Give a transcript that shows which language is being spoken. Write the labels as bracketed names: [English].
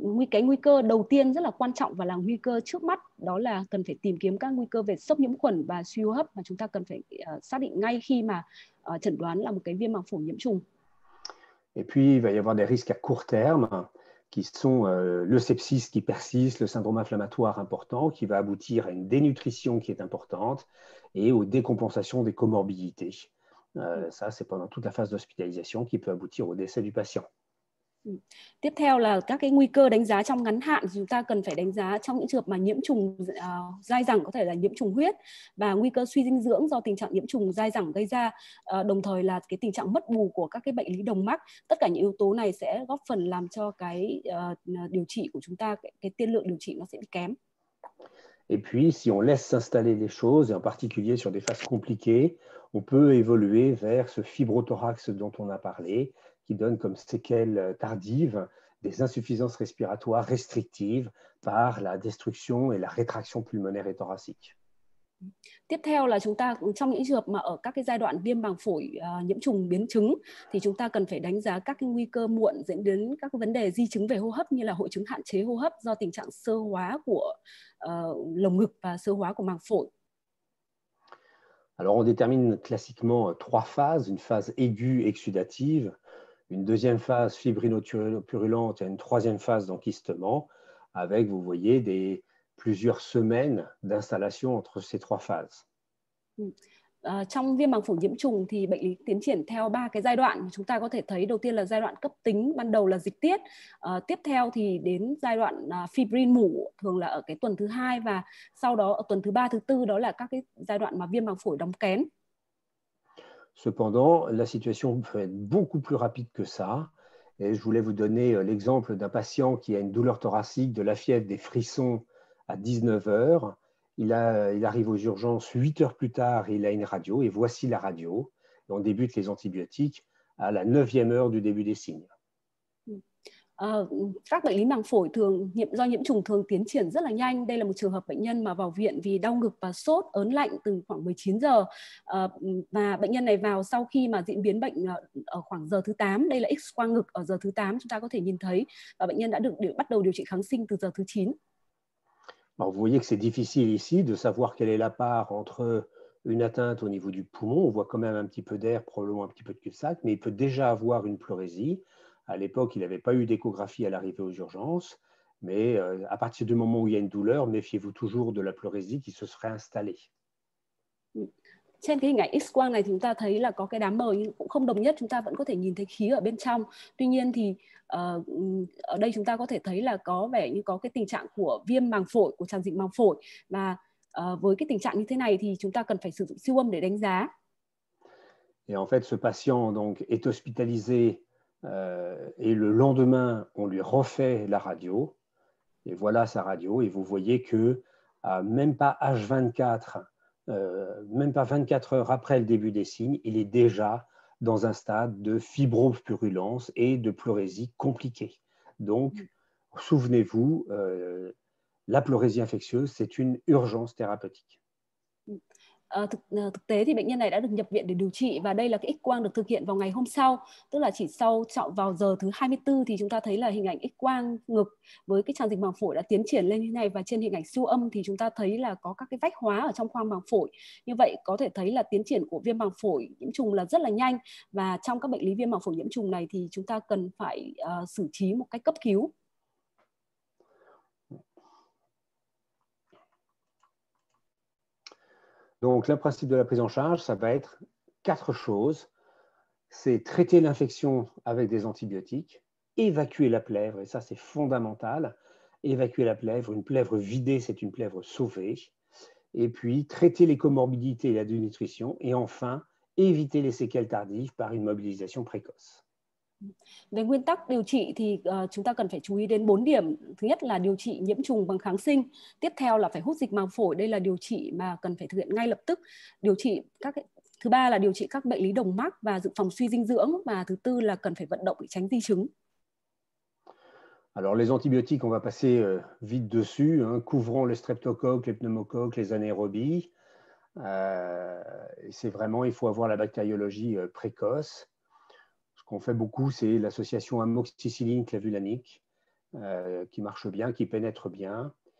[Vietnamese] Cái nguy cơ đầu tiên rất là quan trọng và là nguy cơ trước mắt đó là cần phải tìm kiếm các nguy cơ về sốc nhiễm khuẩn và suy hô hấp mà chúng ta cần phải xác định ngay khi mà chẩn đoán là một cái viêm màng phổi nhiễm trùng. [French] Et puis il va y avoir des risques à court terme qui sont le sepsis qui persiste, le syndrome inflammatoire important qui va aboutir à une dénutrition qui est importante et aux décompensations des comorbidités. Ça c'est pendant toute la phase d'hospitalisation qui peut aboutir au décès du patient. [Vietnamese] Tiếp theo là các cái nguy cơ đánh giá trong ngắn hạn, chúng ta cần phải đánh giá trong những trường hợp mà nhiễm trùng dai dẳng, có thể là nhiễm trùng huyết và nguy cơ suy dinh dưỡng do tình trạng nhiễm trùng dai dẳng gây ra, đồng thời là cái tình trạng mất bù của các cái bệnh lý đồng mắc. Tất cả những yếu tố này sẽ góp phần làm cho cái điều trị của chúng ta, cái tiên lượng điều trị nó sẽ bị kém. [French] Et puis si on laisse s'installer les choses, et en particulier sur des phases compliquées, on peut évoluer vers ce fibrothorax dont on a parlé, qui donne comme séquelles tardives des insuffisances respiratoires restrictives par la destruction et la rétraction pulmonaire et thoracique. [Vietnamese] Tiếp theo là chúng ta trong những trường hợp mà ở các cái giai đoạn viêm màng phổi nhiễm trùng biến chứng thì chúng ta cần phải đánh giá các cái nguy cơ muộn dẫn đến các vấn đề di chứng về hô hấp như là hội chứng hạn chế hô hấp do tình trạng sơ hóa của lồng ngực và sơ hóa của màng phổi. [French] Alors on détermine classiquement trois phases, une phase aiguë exudative, une deuxième phase fibrinopurulente et une troisième phase d'enkystement avec, vous voyez, des plusieurs semaines d'installation entre ces trois phases. [Vietnamese] Trong viêm màng phổi nhiễm trùng thì bệnh lý tiến triển theo ba cái giai đoạn. Chúng ta có thể thấy đầu tiên là giai đoạn cấp tính, ban đầu là dịch tiết. Tiếp theo thì đến giai đoạn fibrin mủ, thường là ở cái tuần thứ hai và sau đó ở tuần thứ ba, thứ tư đó là các cái giai đoạn mà viêm màng phổi đóng kén. [French] Cependant, la situation peut être beaucoup plus rapide que ça. Et je voulais vous donner l'exemple d'un patient qui a une douleur thoracique, de la fièvre, des frissons à 19h. Il arrive aux urgences 8h plus tard, il a une radio et voici la radio. Et on débute les antibiotiques à la 9e heure du début des signes. [Vietnamese] Các bệnh lý màng phổi thường do nhiễm trùng thường tiến triển rất là nhanh. Đây là một trường hợp bệnh nhân mà vào viện vì đau ngực và sốt ớn lạnh từ khoảng 19 giờ và bệnh nhân này vào sau khi mà diễn biến bệnh ở khoảng giờ thứ 8. Đây là x-quang ngực ở giờ thứ 8, chúng ta có thể nhìn thấy, và bệnh nhân đã được bắt đầu điều trị kháng sinh từ giờ thứ 9. [French] Alors, vous voyez que c'est difficile ici de savoir quelle est la part entre une atteinte au niveau du poumon. On voit quand même un petit peu d'air, probablement un petit peu de cul-de-sac, mais il peut déjà avoir une pleurésie. À l'époque, il n'avait pas eu d'échographie à l'arrivée aux urgences, mais à partir du moment où il y a une douleur, méfiez-vous toujours de la pleurésie qui se serait installée. [Vietnamese] Trên cái hình ảnh X-quang này, chúng ta thấy là có cái đám mờ nhưng cũng không đồng nhất. Chúng ta vẫn có thể nhìn thấy khí ở bên trong. Tuy nhiên thì ở đây chúng ta có thể thấy là có vẻ như có cái tình trạng của viêm màng phổi, của tràn dịch màng phổi. Và với cái tình trạng như thế này thì chúng ta cần phải sử dụng siêu âm để đánh giá. [French] Et en fait, ce patient donc est hospitalisé Et le lendemain, on lui refait la radio. Et voilà sa radio. Et vous voyez que, à même pas H24, même pas 24 heures après le début des signes, il est déjà dans un stade de fibrome-purulence et de pleurésie compliquée. Donc, souvenez-vous, la pleurésie infectieuse, c'est une urgence thérapeutique. [Vietnamese] Thực tế thì bệnh nhân này đã được nhập viện để điều trị và đây là cái X-quang được thực hiện vào ngày hôm sau, tức là chỉ sau vào giờ thứ 24 thì chúng ta thấy là hình ảnh X-quang ngực với cái tràng dịch màng phổi đã tiến triển lên như này, và trên hình ảnh siêu âm thì chúng ta thấy là có các cái vách hóa ở trong khoang màng phổi. Như vậy có thể thấy là tiến triển của viêm màng phổi nhiễm trùng là rất là nhanh, và trong các bệnh lý viêm màng phổi nhiễm trùng này thì chúng ta cần phải xử trí một cách cấp cứu. [French] Donc, le principe de la prise en charge, ça va être quatre choses. C'est traiter l'infection avec des antibiotiques, évacuer la plèvre, et ça, c'est fondamental. Évacuer la plèvre, une plèvre vidée, c'est une plèvre sauvée. Et puis, traiter les comorbidités et la dénutrition. Et enfin, éviter les séquelles tardives par une mobilisation précoce. [Vietnamese] Về nguyên tắc điều trị thì chúng ta cần phải chú ý đến 4 điểm. Thứ nhất là điều trị nhiễm trùng bằng kháng sinh. Tiếp theo là phải hút dịch màng phổi. Đây là điều trị mà cần phải thực hiện ngay lập tức. Điều trị các thứ ba là điều trị các bệnh lý đồng mắc và dự phòng suy dinh dưỡng. Và thứ tư là cần phải vận động để tránh di chứng. [French] Alors les antibiotiques, on va passer vite dessus, hein, couvrant le streptocoque, les pneumocoques, les anaérobies. C'est vraiment, il faut avoir la bactériologie précoce. Ce qu'on fait beaucoup, c'est l'association amoxicilline-clavulanique qui marche bien, qui pénètre bien.